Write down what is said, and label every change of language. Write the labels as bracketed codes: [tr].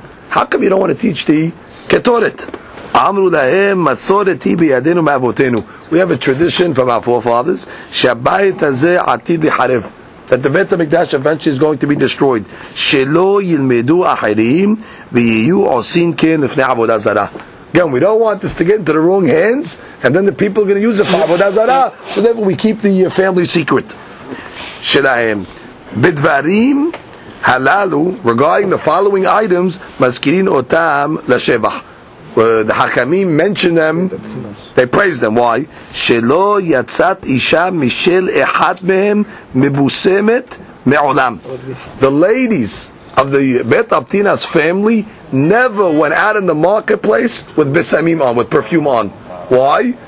[en] How come you don't want to teach the ketoret? [he] אמרו להם מסורתי בידינו מאבותינו. [en] We have a tradition from our forefathers. [he] שהבית הזה עתיד לחרב. [en] That the Beit HaMikdash eventually is going to be destroyed. [he] שלא ילמדו אחרים ויהיו עושים כן לפני עבודה זרה. [en] Again, we don't want this to get into the wrong hands, and then the people are going to use it for עבודה זרה. So therefore, we keep the family secret. [he] שלהם בדברים הללו, [en] regarding the following items, [he] מזכירים אותם לשבח. [en] The Hakamim mention them, they praise them. Why? [he] Shelo yatzat isha mishel echad mehem mibusemet me'olam. [en] The ladies of the Bet Aptina's family never went out in the marketplace with besamim on, with perfume on. Why?